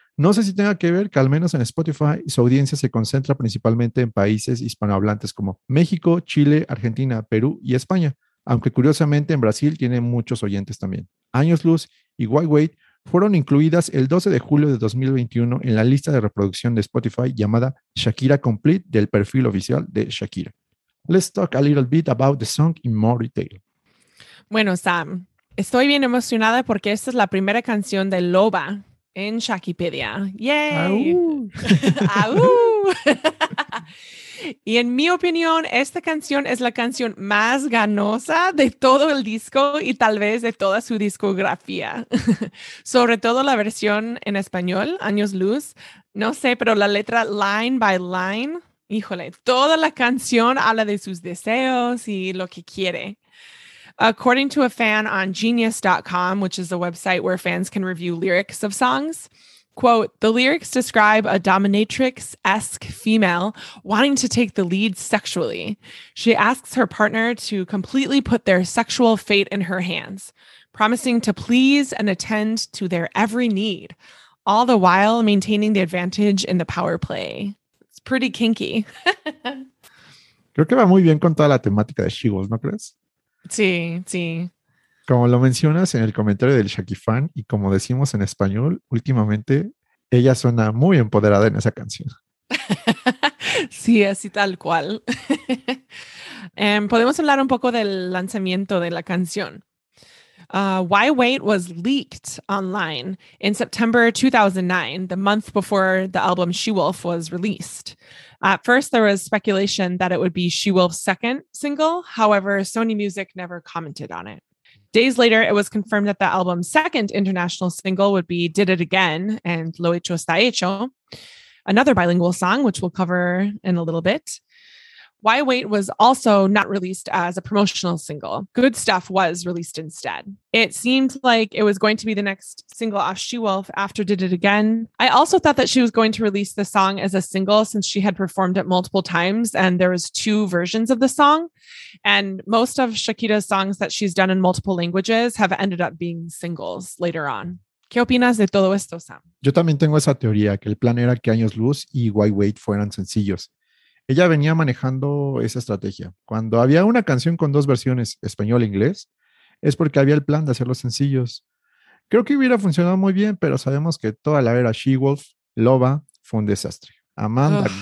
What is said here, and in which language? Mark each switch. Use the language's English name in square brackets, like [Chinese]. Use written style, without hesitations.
[Spanish] No sé si tenga que ver que al menos en Spotify su audiencia se concentra principalmente en países hispanohablantes como México, Chile, Argentina, Perú y España. Aunque curiosamente en Brasil tiene muchos oyentes también. Años Luz y Why Wait fueron incluidas el 12 de julio de 2021 en la lista de reproducción de Spotify llamada Shakira Complete del perfil oficial de Shakira. [English] Let's talk a little bit about the song in more detail. [Spanish] Bueno, Sam, estoy bien emocionada porque esta es la primera canción de Loba en Shakipedia. ¡Yay! ¡Aú! Y en mi opinión, esta canción es la canción más ganosa de todo el disco y tal vez de toda su discografía. Sobre todo la versión en español, Años Luz. No sé, pero la letra [English] line by line, [Spanish] híjole, toda la canción habla de sus deseos y lo que quiere. [English] According to a fan on Genius.com, which is a website where fans can review lyrics of songs, Quote, the lyrics describe a dominatrix-esque female wanting to take the lead sexually. She asks her partner to completely put their sexual fate in her hands, promising to please and attend to their every need, all the while maintaining the advantage in the power play. It's pretty kinky. [Spanish] Creo que va muy bien con toda la temática de She-Wolf, ¿no crees? Sí, sí. Como lo mencionas en el comentario del Shaky Fan y como decimos en español, últimamente ella suena muy empoderada en esa canción. Sí, así tal cual. Podemos hablar un poco del lanzamiento de la canción. [English] Why Wait was leaked online in September 2009, the month before the album She-Wolf was released. At first, there was speculation that it would be She-Wolf's second single. However, Sony Music never commented on it. Days later, it was confirmed that the album's second international single would be Did It Again and Lo Hecho Está Hecho, another bilingual song, which we'll cover in a little bit. Why Wait was also not released as a promotional single. Good Stuff was released instead. It seemed like it was going to be the next single off She-Wolf after Did It Again. I also thought that she was going to release the song as a single since she had performed it multiple times and there was two versions of the song. And most of Shakira's songs that she's done in multiple languages have ended up being singles later on. [Spanish] ¿Qué opinas de todo esto, Sam? Yo también tengo esa teoría, que el plan era que Años Luz y Why Wait fueran sencillos. Ella venía manejando esa estrategia. Cuando había una canción con dos versiones, español e inglés, es porque había el plan de hacerlos sencillos. Creo que hubiera funcionado muy bien, pero sabemos que toda la era She-Wolf, Loba, fue un desastre. Amanda, ugh.